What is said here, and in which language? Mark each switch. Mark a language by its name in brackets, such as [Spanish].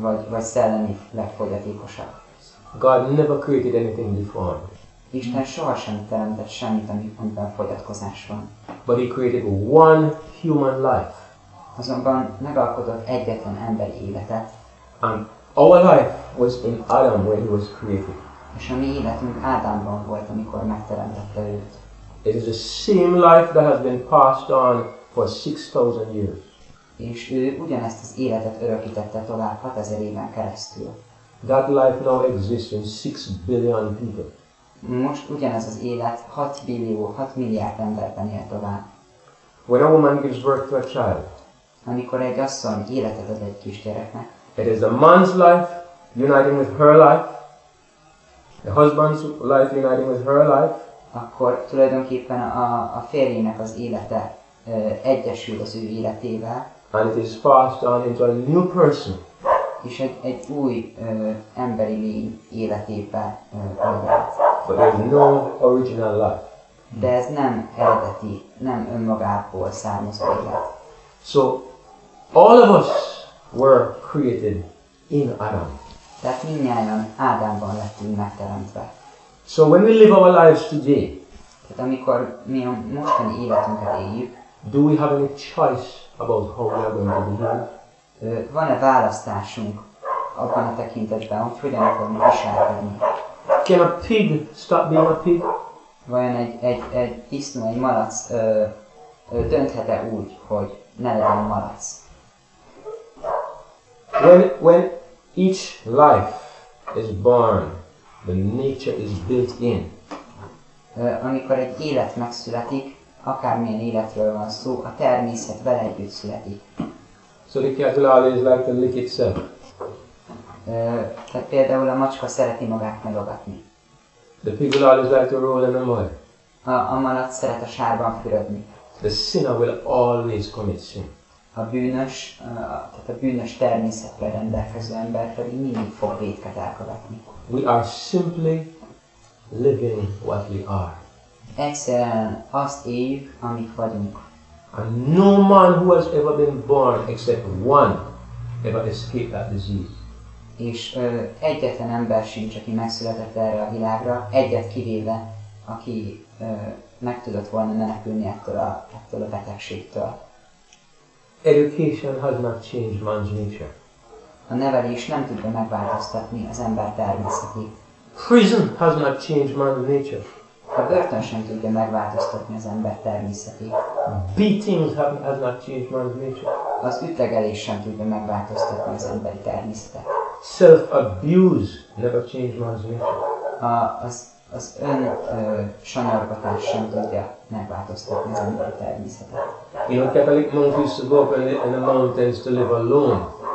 [Hungarian] Vagy szellemi legfogyatékosabb. [English] God never created anything deformed. [Hungarian] Isten sohasem teremtett semmit, amiben fogyatkozás van. [English] But He created one human life. [Hungarian] Azonban megalkotott egyetlen emberi életet. [English] And our life was in Adam when He was created. [Hungarian] És a mi életünk Ádámban volt, amikor megteremtette őt. [English] It is the same life that has been passed on for 6,000 years. [Hungarian] És ő ugyanezt az életet örökítette tovább 6000 éven keresztül. [English] That life now exists in 6 billion people. [Hungarian] Most ugyanez az élet 6 milliárd emberben él tovább. [English] When a woman gives birth to a child, [Hungarian] amikor egy asszony életet ad egy kisgyereknek, [English] it is a man's life uniting with her life, the husband's life uniting with her life, [Hungarian] akkor tulajdonképpen a férjének az élete egyesül az ő életével, [English] and it is passed on into a new person, [Hungarian] és egy új emberi lény életébe adat. [English] But there's no original life. [Hungarian] De ez nem eredeti, nem önmagából származó élet. [English] So, all of us were created in Adam. [Hungarian] Tehát mindnyájan Ádámban lettünk megteremtve. [English] So when we live our lives today, [Hungarian] tehát amikor mi a mostani életünket éljük, [English] do we have any choice about how we are going to live? [Hungarian] Van-e választásunk abban a tekintetben, hogy hogyan fogunk viselkedni? [English] Can a pig stop being a pig? [Hungarian] Vajon egy disznó, egy malac dönthet-e úgy, hogy ne legyen malac? [English] When each life is born, the nature is built in. [Hungarian] Amikor egy élet megszületik, akármilyen életről van szó, a természet vele együtt születik. [English] So the cat will always like to lick itself. [Hungarian] Tehát például a macska szereti magát megogatni. [English] The pig will always like to roll in the mud. [Hungarian] A malac szeret a sárban fürödni. [English] The sinner will always commit sin. [Hungarian] Tehát a bűnös természetre rendelkező ember pedig mindig fog vétket elkövetni. [English] We are simply living what we are. [Hungarian] Egyszerűen azt éljük, amit vagyunk. [English] And no man who has ever been born except one ever escaped that disease. [Hungarian] És egyetlen ember sincs, aki megszületett erre a világra, egyet kivéve, aki meg tudott volna menekülni ettől a betegségtől. [English] Education has not changed man's nature. [Hungarian] A nevelés nem tudja megváltoztatni az ember természetét. [English] Prison has not changed man's nature. [Hungarian] A börtön sem tudja megváltoztatni az ember természetét. [English] Beatings has not changed man's nature. [Hungarian] Az ütlegelés sem tudja megváltoztatni az emberi természetet. [English] Self-abuse never changed man's nature. [Hungarian] Az önsanyargatás sem tudja megváltoztatni az emberi természetet. [English] You know, Catholic monks used to go up in the mountains to live alone.